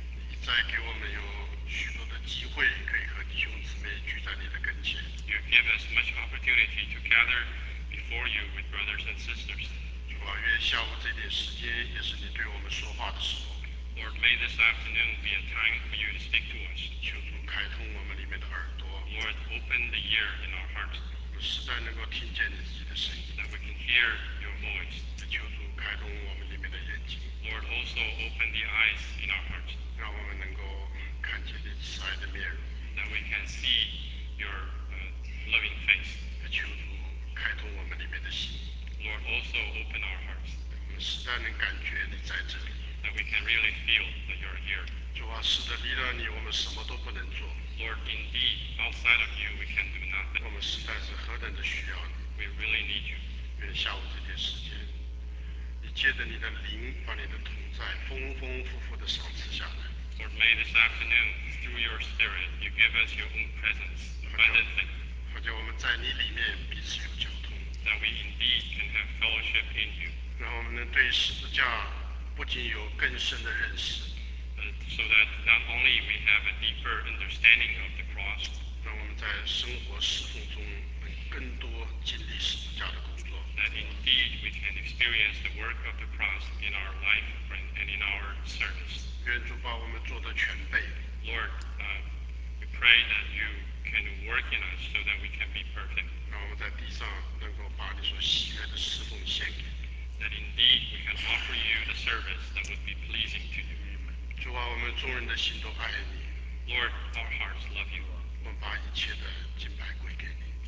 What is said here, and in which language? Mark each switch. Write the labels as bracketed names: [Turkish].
[Chinese] 你再给我们有许多的机会可以和弟兄姊妹聚在你的跟前。 [English] You give us much opportunity to gather before you with brothers and sisters. [Chinese] 主啊，愿下午这点时间也是你对我们说话的时候。 [English] Lord, may this afternoon be a time for you to speak to us. [Chinese] 求主开通我们里面的耳朵。 [English] Lord, open the ear in our hearts. [Chinese] 我们实在能够听见你自己的声音。 [English] That we can hear your voice. [Chinese] 也求主开通我们里面的眼睛。 [English] Lord, also open the eyes in our hearts. [Chinese] 让我们能够看见你慈爱的面容。 [English] That we can see your loving face. [Chinese] 也求主开通我们里面的心。 [English] Lord, also open our hearts. [Chinese] 我们实在能感觉你在这里。 [English] That we can really feel that you're here. [Chinese] 主啊，是的，离了你，我们什么都不能做。 [English] Lord, indeed, outside of you, we can do nothing. [Chinese] 我们实在是何等的需要你。 [English] We really need you. [Chinese] 愿下午这点时间，你借着你的灵，把你的同在丰丰富富的赏赐下来。 [English] Lord, may this afternoon, through your Spirit, you give us your own presence abundantly. [Chinese] 好叫我们在你里面彼此有交通。 [English] That we indeed can have fellowship in you. [Chinese] 让我们能对十字架。不仅有更深的认识 [English] so that not only we have a deeper understanding of the cross, [Chinese] 让我们在生活侍奉中更多经历十字架的工作 [English] that indeed we can experience the work of the cross in our life and in our service. [Chinese] 愿主把我们做得全备 [English] Lord, we pray that you can work in us so that we can be perfect. [Chinese] 让我们在地上能够把你所喜悦的侍奉献给你 [English] that indeed we can offer you the service that would be pleasing to you. [Chinese] 主啊，我们众人的心都爱你。 [English] Lord, our hearts love you. [Chinese] 我们把一切的敬拜归给你。